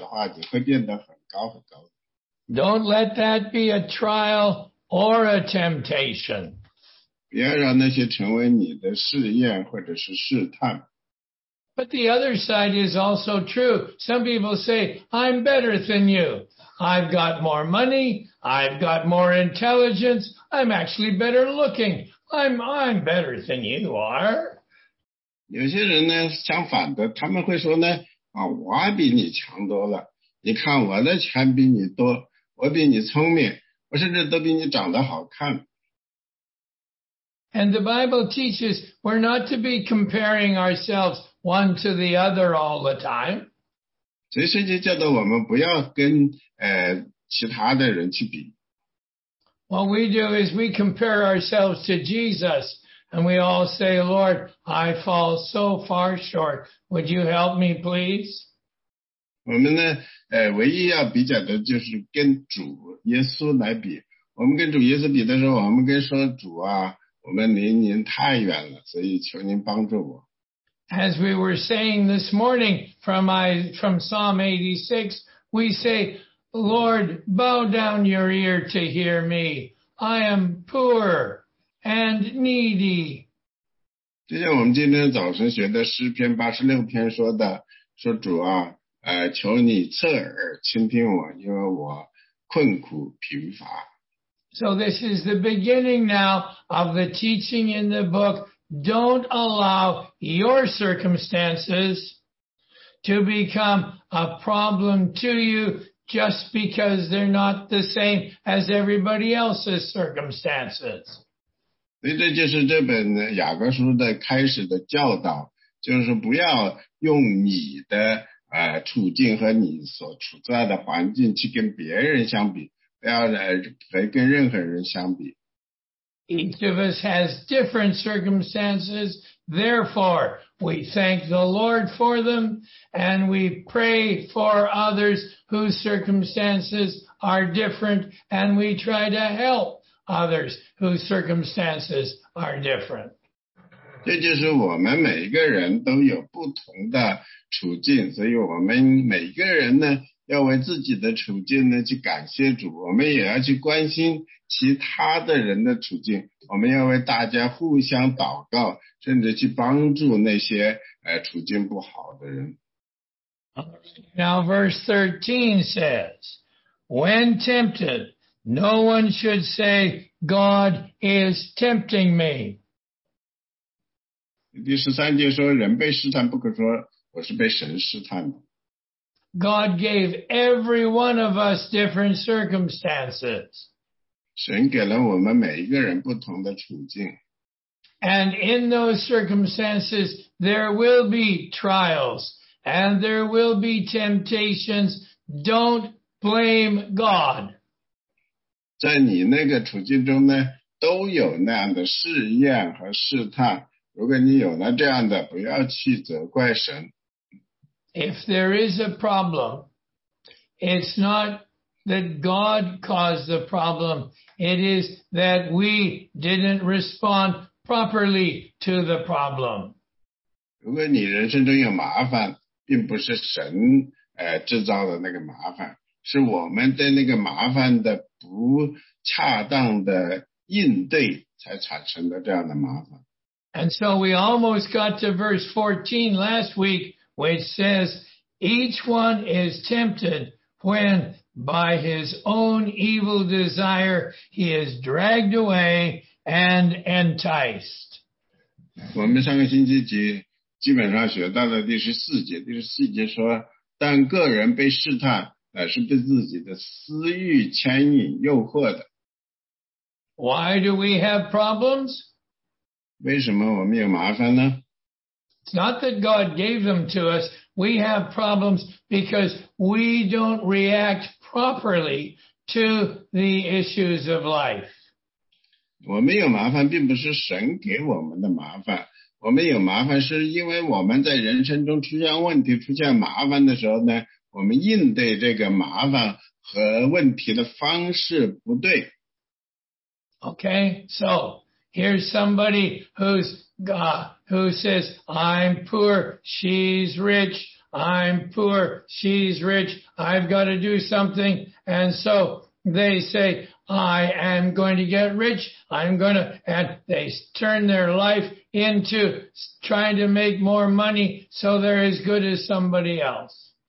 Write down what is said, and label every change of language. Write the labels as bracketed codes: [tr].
[zh] 你主说呢，你不要担心这个，你的情况呢会得到改变的，然后你要在最终，你如果跟别人比较的话，你会变得很高很高。 [en] Don't let that be a trial or a temptation. [zh] 别让那些成为你的试验或者是试探。 [en] But the other side is also true. Some people say, I'm better than you. I've got more money. I've got more intelligence. I'm actually better looking. I'm better than you are. [zh] 有些人呢相反的，他们会说呢，啊，我比你强多了，你看我的钱比你多，我比你聪明，我甚至都比你长得好看。 [en] And the Bible teaches we're not to be comparing ourselves one to the other all the time. [zh] 所以圣经教导我们不要跟其他的人去比。 [en] What we do is we compare ourselves to Jesus. And we all say, Lord, I fall so far short. Would you help me, please? [zh] 我们呢，唯一要比较的就是跟主耶稣来比。我们跟主耶稣比的时候，我们跟说主啊，我们离您太远了，所以求您帮助我。 [en] As we were saying this morning from Psalm 86, we say, Lord, bow down your ear to hear me. I am poor. And needy. [zh] 就像我们今天早晨学的诗篇86篇说的，说主啊，求你侧耳倾听我，因为我困苦贫乏。 [en] So this is the beginning now of the teaching in the book. Don't allow your circumstances to become a problem to you just because they're not the same as everybody else's circumstances. [zh] 所以这就是这本雅各书的开始的教导，就是不要用你的处境和你所处在的环境去跟别人相比，不要来跟任何人相比。 [en] Each of us has different circumstances, therefore we thank the Lord for them, and we pray for others whose circumstances are different, and we try to help. Others whose circumstances are different. [zh] 这就是我们每个人都有不同的处境，所以我们每个人呢，要为自己的处境呢去感谢主。我们也要去关心其他的人的处境。我们要为大家互相祷告，甚至去帮助那些处境不好的人。 [en] Now, verse 13 says, "When tempted." No one should say, God is tempting me. [zh] 第十三节说人被试探不可说我是被神试探的。 [en] God gave every one of us different circumstances. [zh] 神给了我们每一个人不同的处境。 [en] And in those circumstances, there will be trials and there will be temptations. Don't blame God. [zh] 在你那个处境中呢，都有那样的试验和试探。如果你有了这样的，不要去责怪神。 [en] If there is a problem, it's not that God caused the problem. It is that we didn't respond properly to the problem. [zh] 如果你人生中有麻烦，并不是神制造的那个麻烦，是我们对那个麻烦的不恰当的应对才产生的这样的麻烦。 [en] And so we almost got to verse 14 last week, which says, each one is tempted when by his own evil desire he is dragged away and enticed. [zh] 我们上个星期基本上学到了第十四节说，但个人被试探是被自己的私欲牵引诱惑的。 [en] Why do we have problems? [zh] 为什么我们有麻烦呢？ [en] It's not that God gave them to us. We have problems because we don't react properly to the issues of life. [zh] 我们有麻烦并不是神给我们的麻烦。我们有麻烦是因为我们在人生中出现问题、出现麻烦的时候呢，我们应对这个麻烦和问题的方式不对。 [en] Okay, so here's somebody who says, I'm poor, she's rich, I'm poor, she's rich, I've got to do something. And so they say, I am going to get rich. I'm going to, and they turn their life into trying to make more money so they're as good as somebody else.